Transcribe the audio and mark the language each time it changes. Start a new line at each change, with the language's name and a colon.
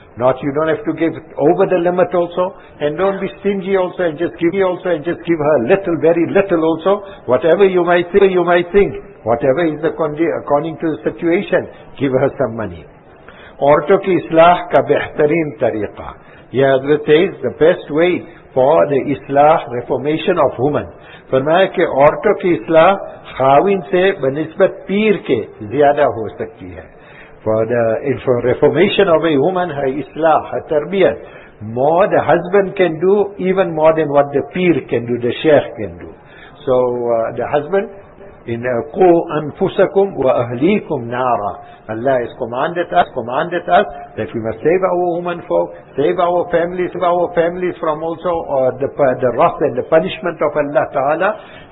English: Not, you don't have to give over the limit also, and don't be stingy also, and just give me also, and just give her little, very little also. Whatever you might say, you might think, whatever is the according to the situation, give her some money.
Urdu: Aurton ki islah ka behtareen tariqa.
English: Yeh Hazrat says, the best way for the islah, reformation of women.
Urdu: فرمایا کہ عورتوں کی اصلاح خاوند سے بنسبت پیر کے زیادہ ہو سکتی ہے.
English: For the reformation of a woman, her اصلاح, her تربیت, more the husband can do, even more than what the peer can do, the sheikh can do. So the husband, in
Arabic: قو انفسكم واهليكم نارا,
English: Allah has commanded us that we must save our women folk, save our families from also the wrath and the punishment of Allah Ta'ala.